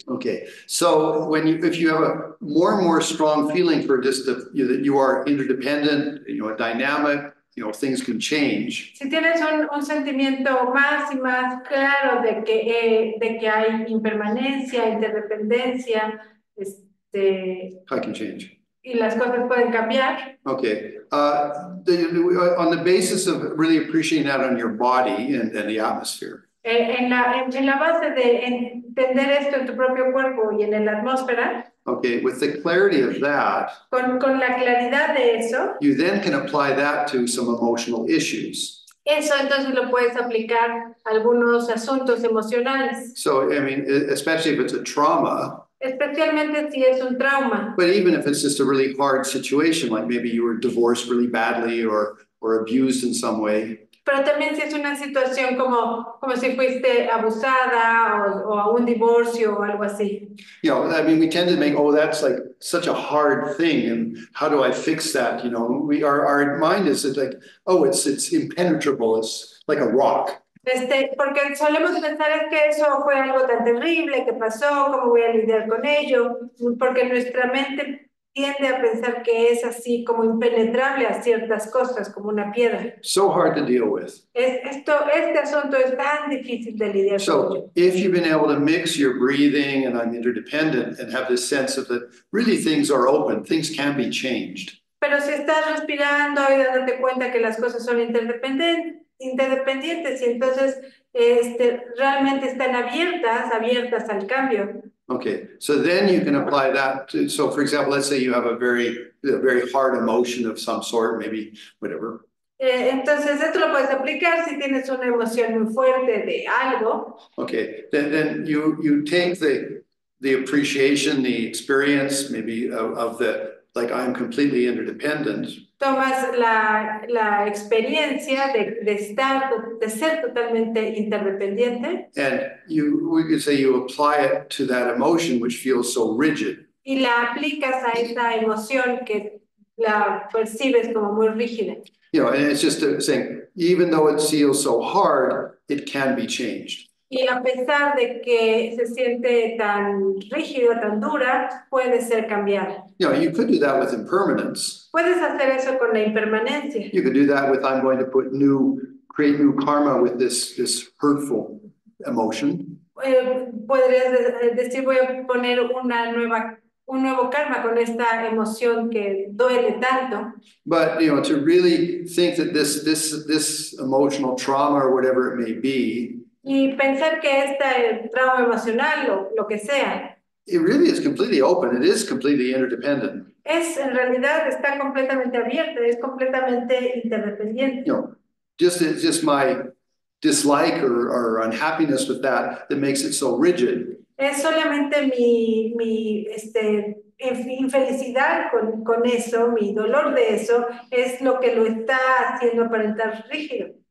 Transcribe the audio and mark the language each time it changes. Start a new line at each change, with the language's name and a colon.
English: Okay, so if you have a more and more strong feeling for just that you are interdependent, you know, dynamic, you know, things can change.
Spanish: Si tienes un sentimiento más y más claro de que hay impermanencia, interdependencia,
English: I can change.
Spanish: Y las cosas pueden cambiar.
English: Okay. On the basis of really appreciating that on your body and the atmosphere.
Spanish: En la base de entender esto en tu propio cuerpo y en la atmósfera.
English: Okay, with the clarity of that.
Spanish: Con la claridad de eso.
English: You then can apply that to some emotional issues.
Spanish: Eso entonces lo puedes aplicar a algunos asuntos emocionales.
English: So, I mean, especially if it's a trauma.
Spanish: Especialmente si es un trauma.
English: But even if it's just a really hard situation, like maybe you were divorced really badly or abused in some way.
Spanish: Pero también si es una situación como si fuiste abusada o a un divorcio o algo así.
English: You know, I mean, we tend to make, oh, that's like such a hard thing, and how do I fix that? You know, our mind is like, oh, it's impenetrable, it's like a rock.
Spanish: Porque solemos pensar que eso fue algo tan terrible que pasó, cómo voy a lidiar con ello, porque nuestra mente tiende a pensar que es así como impenetrable a ciertas cosas, como una piedra.
English: So hard to deal with.
Spanish: Este asunto es tan difícil de lidiar
English: con. So, if you've been able to mix your breathing and I'm interdependent and have this sense of that really things are open, things can be changed.
Spanish: Pero si estás respirando y dándote cuenta que las cosas son interdependientes y entonces realmente están abiertas al cambio.
English: Okay, so then you can apply that to, so for example, let's say you have a very hard emotion of some sort, maybe whatever,
Spanish: Entonces, esto lo puedes aplicar si tienes una emoción muy fuerte de algo.
English: Okay, then you take the appreciation, the experience, maybe of the, like, I'm completely interdependent.
Spanish: Tomas la experiencia de ser totalmente interdependiente.
English: And we could say you apply it to that emotion which feels so rigid.
Spanish: Y la aplicas a esa emoción que la percibes como muy rígida.
English: You know, and it's just saying, even though it feels so hard, it can be changed.
Spanish: Y a pesar de que se siente tan rígido, tan dura, puede ser cambiado.
English: You know, you could do that with impermanence.
Spanish: Puedes hacer eso con la impermanencia.
English: You could do that with, I'm going to put new, create new karma with this hurtful emotion.
Spanish: Podrías decir, voy a poner una nueva un nuevo karma con esta emoción que duele tanto.
English: But, you know, to really think that this emotional trauma or whatever it may be.
Spanish: Y pensar que este trauma emocional, lo que sea.
English: It really is completely open. It is completely interdependent.
Spanish: Es, en realidad, está completamente abierto. Es completamente interdependiente.
English: You know, just my dislike or unhappiness with that makes it so rigid.
Spanish: Es solamente mi infelicidad con eso, mi dolor de eso, es lo que lo está haciendo aparentar rígido.